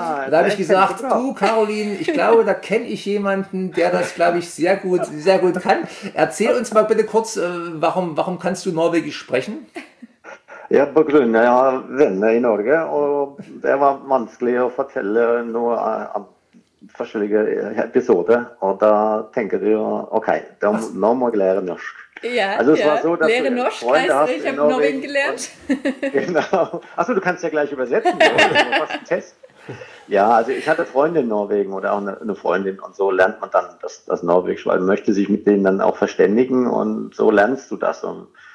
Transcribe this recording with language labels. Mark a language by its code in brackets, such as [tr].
[de] Da habe ich gesagt, du, Caroline, ich glaube, da kenne ich jemanden, der das, glaube ich, sehr gut kann. Erzähl uns mal bitte kurz, warum kannst du Norwegisch sprechen? [no] Ja, på grunn av venner i Norge, og det var vanskelig å fortelle noe av forskjellige episoder, og da tenker du, ok, nå må jeg lære norsk. Lære norsk, [de] heißt, ich habe Norwegen gelernt. Genau. Achso, du kannst ja gleich übersetzen, du hast einen Test. Ja, also ich hatte Freunde in Norwegen oder auch eine Freundin und so lernt man dann das Norwegisch, weil man möchte sich mit denen dann auch verständigen und so lernst du das und